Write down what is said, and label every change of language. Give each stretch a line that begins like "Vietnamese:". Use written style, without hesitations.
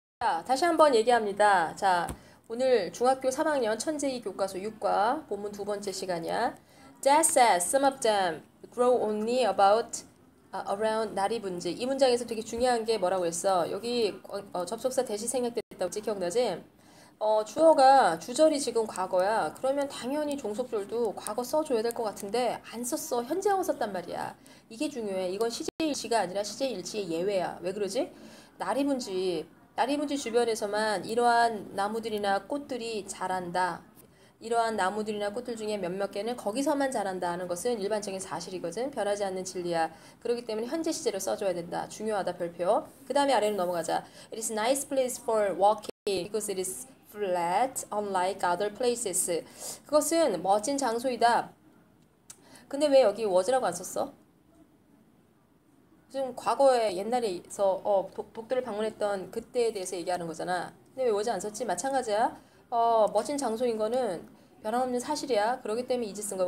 Korean: 자, 다시 한번 얘기합니다. 자, 오늘 중학교 3학년 천재의 교과서 6과 본문 두 번째 시간이야.
English: Jazz says some of them grow only about around 나리분지.
Korean: 이 문장에서 되게 중요한 게 뭐라고 했어? 여기 접속사 대시 생략됐다고 혹시 기억나지? 주어가 주절이 지금 과거야. 그러면 당연히 종속절도 과거 써줘야 될것 같은데 안 썼어. 현재형 썼단 말이야. 이게 중요해. 이건 시제일치가 아니라 시제일치의 예외야. 왜 그러지? 나리분지. 나리문지 주변에서만 이러한 나무들이나 꽃들이 자란다. 이러한 나무들이나 꽃들 중에 몇몇 개는 거기서만 자란다 하는 것은 일반적인 사실이거든. 변하지 않는 진리야. 그렇기 때문에 현재 시제로 써줘야 된다. 중요하다, 별표. 그 다음에 아래로 넘어가자.
English: It is nice place for walking because it is flat, unlike other places.
Korean: 그것은 멋진 장소이다. 근데 왜 여기 was라고 안 썼어? 지금 과거에 옛날에서 독도를 방문했던 그때에 대해서 얘기하는 거잖아. 근데 왜 워즈 안 썼지? 마찬가지야. 멋진 장소인 거는 변함없는 사실이야. 그러기 때문에 이제 쓴 거야.